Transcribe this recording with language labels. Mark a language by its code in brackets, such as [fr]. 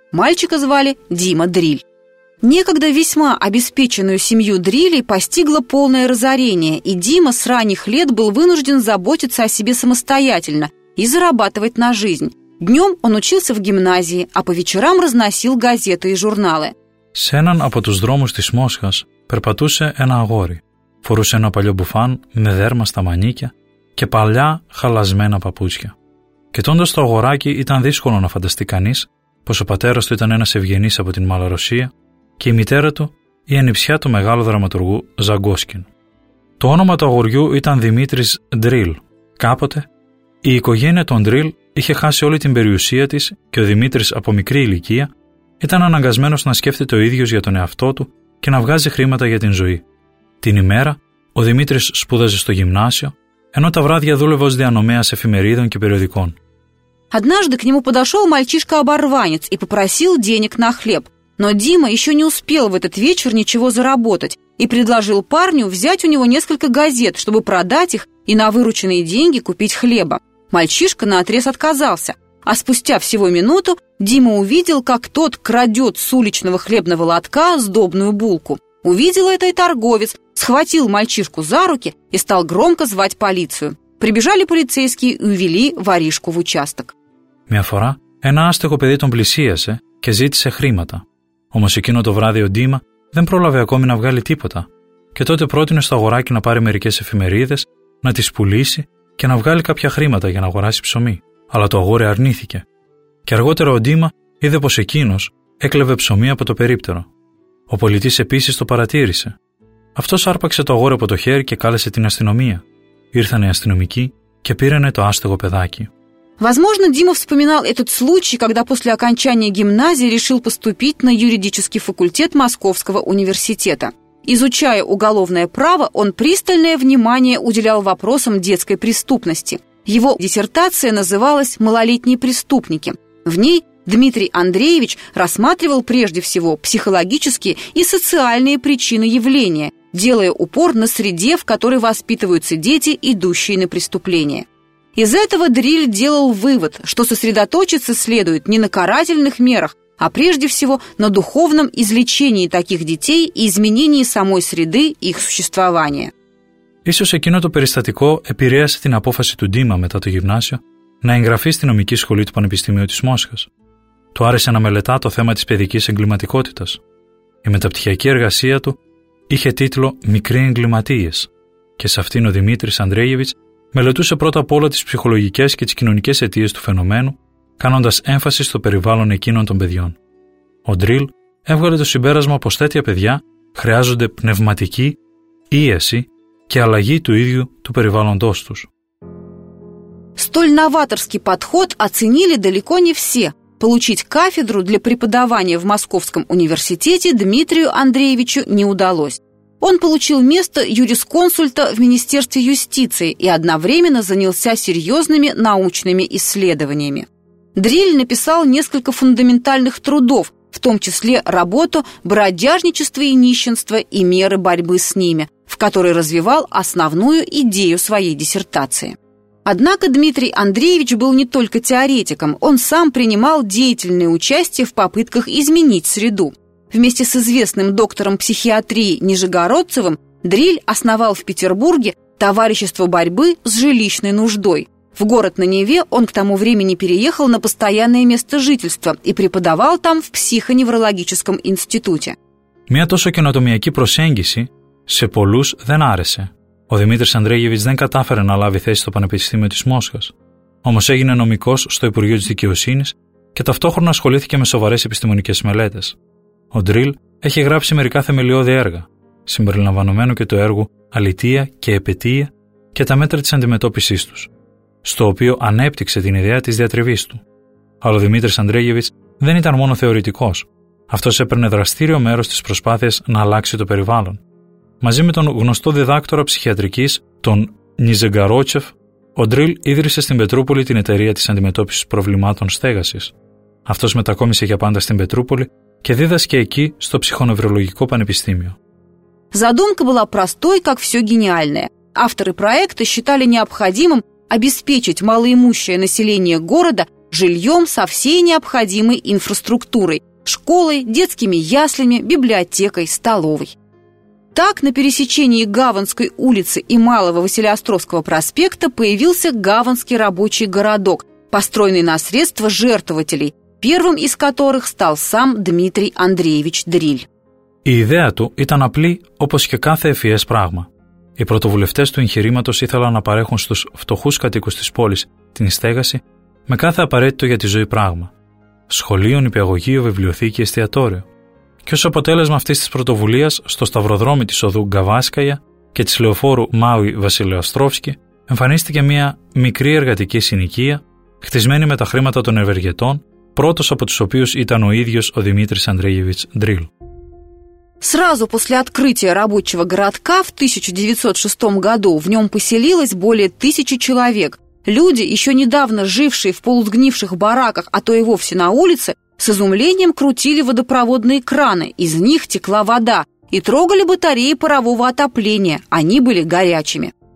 [ru] Мальчика звали Дима Дриль. Некогда весьма обеспеченную семью Дрилей постигло полное разорение, и Дима с ранних лет был вынужден заботиться о себе самостоятельно и зарабатывать на жизнь. Днем он учился в гимназии, а по вечерам разносил газеты и журналы. [el] Σε έναν από τους δρόμους της Μόσχας περπατούσε ένα αγόρι. Φορούσε ένα παλιό μπουφάν με δέρμα στα μανίκια και παλιά χαλασμένα παπούτσια. Κοιτώντας το αγοράκι ήταν δύσκολο να φανταστεί κανείς πως ο πατέρας του ήταν ένας ευγενής από την Μαλαρωσία και η μητέρα του η ανιψιά του μεγάλου δραματουργού Ζαγκόσκιν. Το όνομα του αγοριού ήταν Δημήτρης Ντρίλ. Κάποτε η οικογένεια των Ντρίλ είχε χάσει όλη την περιουσία της και ο Δημήτρης από μικρή ηλικία ήταν αναγκασμένος να σκέφτεται ο ίδιος για τον εαυτό του και να βγάζει χρήματα για την ζωή. Την ημέρα, ο Δημήτρης σπούδαζε στο γυμνάσιο, ενώ τα βράδια δούλευε ως διανομέας εφημερίδων και περιοδικών. [ru] Однажды к нему подошел мальчишка-оборванец и попросил денег на хлеб. Но Дима еще не успел в этот вечер ничего заработать и предложил парню взять у него несколько газет, чтобы продать их и на вырученные деньги купить хлеба. Мальчишка наотрез отказался. А спустя всего минуту Дима увидел, как тот крадет с уличного хлебного лотка сдобную булку. Увидел это и торговец, схватил мальчишку за руки и стал громко звать полицию. Прибежали полицейские и увели воришку в участок. [el] Μια φορά ένα άστεχο παιδί τον πλησίασε και ζήτησε χρήματα. Όμως εκείνο το βράδυ ο Δήμα δεν πρόλαβε ακόμη να βγάλει τίποτα και τότε πρότεινε στο αγοράκι να πάρει μερικές εφημερίδες, να τις πουλήσει και να βγάλει κάποια χρήματα για να αγοράσει ψωμί. Αλλά το αγόρι αρνήθηκε. Και αργότερα ο Ντίμα είδε πως εκείνος έκλεβε ψωμί από το περίπτερο. Ο πολιτής επίσης το παρατήρησε. Αυτός άρπαξε το αγόρι από το χέρι και κάλεσε την αστυνομία. Ήρθαν οι αστυνομικοί και πήρανε το άστεγο παιδάκι. [ru] Возможно, Дима вспоминал этот случай, когда после окончания гимназии решил поступить на юридический факультет Московского университета. Изучая уголовное право, он пристальное внимание уделял вопросам детской преступности. Его диссертация называлась «Малолетние преступники». В ней Дмитрий Андреевич рассматривал прежде всего психологические и социальные причины явления, делая упор на среде, в которой воспитываются дети, идущие на преступление. Из этого Дриль делал вывод, что сосредоточиться следует не на карательных мерах, а прежде всего на духовном излечении таких детей и изменении самой среды их существования. [el] Ίσως εκείνο το περιστατικό επηρέασε την απόφαση του Ντίμα μετά το γυμνάσιο να εγγραφεί στη νομική σχολή του Πανεπιστημίου της Μόσχας. Του άρεσε να μελετά το θέμα της παιδικής εγκληματικότητας. Η μεταπτυχιακή εργασία του είχε τίτλο «Μικροί εγκληματίες» και σε αυτήν ο Δημήτρης Ανδρέγεβιτς μελετούσε πρώτα απ' όλα τις ψυχολογικές και τις κοινωνικές αιτίες του φαινομένου, κάνοντας έμφαση στο περιβάλλον εκείνων των παιδιών. Ο Ντρίλ έβγαλε το συμπέρασμα πως τέτοια παιδιά χρειάζονται πνευματική ίεση και αλλαγή του ίδιου του περιβάλλοντός τους. [ru] Столь новаторский подход оценили далеко не все. Получить кафедру для преподавания в Московском университете Дмитрию Андреевичу не удалось. Он получил место юрисконсульта в Министерстве юстиции и одновременно занялся серьезными научными исследованиями. Дриль написал несколько фундаментальных трудов, в том числе работу «Бродяжничество и нищенство и меры борьбы с ними», в которой развивал основную идею своей диссертации. Однако Дмитрий Андреевич был не только теоретиком, он сам принимал деятельное участие в попытках изменить среду. Вместе с известным доктором психиатрии Нижегородцевым Дриль основал в Петербурге «Товарищество борьбы с жилищной нуждой». В город на Неве он к тому времени переехал на постоянное место жительства и преподавал там в психоневрологическом институте. Мне тоже кинотомиаки просенгиси. [el] Σε πολλούς δεν άρεσε. Ο Δημήτρης Ανδρέγεβιτς δεν κατάφερε να λάβει θέση στο Πανεπιστήμιο της Μόσχας. Όμως έγινε νομικός στο Υπουργείο της Δικαιοσύνης και ταυτόχρονα ασχολήθηκε με σοβαρές επιστημονικές μελέτες. Ο Ντρίλ έχει γράψει μερικά θεμελιώδη έργα, συμπεριλαμβανομένου και το έργο «Αλητεία και επαιτία και τα μέτρα της αντιμετώπισής τους», στο οποίο ανέπτυξε την ιδέα της διατριβής του. Αλλά ο Δημήτρης Ανδρέγεβιτς δεν ήταν μόνο θεωρητικός. Αυτός έπαιρνε δραστήριο μέρος στις προσπάθειες να αλλάξει το περιβάλλον. Μαζί με τον γνωστό διδάκτορα ψυχιατρικής, τον Νιζεγκαρότσεφ, ο Ντρίλ ίδρυσε στην Πετρούπολη την εταιρεία της αντιμετώπισης προβλημάτων στέγασης. Αυτός μετακόμισε για πάντα στην Πετρούπολη και δίδασκε εκεί στο ψυχονευρολογικό πανεπιστήμιο. [ru] Задумка была простой, как все гениальное. Авторы проекта считали необходимым обеспечить малоимущее население города жильем со всей необходимой инфраструктурой – школой, детскими яслями, библиотекой, столовой. Так, на пересечении Гаванской улицы и Малого Василеостровского проспекта появился Гаванский рабочий городок, построенный на средства жертвователей, первым из которых стал сам Дмитрий Андреевич Дриль. [el] Η ιδέα του ήταν απλή όπως και κάθε ευφυές πράγμα. Οι πρωτοβουλευτές του εγχειρήματος ήθελαν να παρέχουν στους φτωχούς κατοίκους της πόλης την στέγαση με κάθε απαραίτητο για τη ζωή πράγμα. Σχολείο, νηπιαγωγείο, βιβλιοθήκη, εστιατόριο. Και ως αποτέλεσμα αυτής της πρωτοβουλίας, στο σταυροδρόμι της οδού Γκαβάσκαγια και της λεωφόρου Μάουι Βασιλεοστρόφσκι, εμφανίστηκε μια μικρή εργατική συνοικία, χτισμένη με τα χρήματα των ευεργετών, πρώτος από τους οποίους ήταν ο ίδιος ο Δημήτρης Ανδρέγεβιτς Ντρίλ. [ru] Сразу после открытия рабочего городка в 1906 году в нем поселилось более 1000 человек. Люди, еще недавно жившие в полусгнивших бараках, а то и вовсе на улице, с изумлением крутили водопроводные краны, из них текла вода, и трогали батареи парового отопления, они были горячими.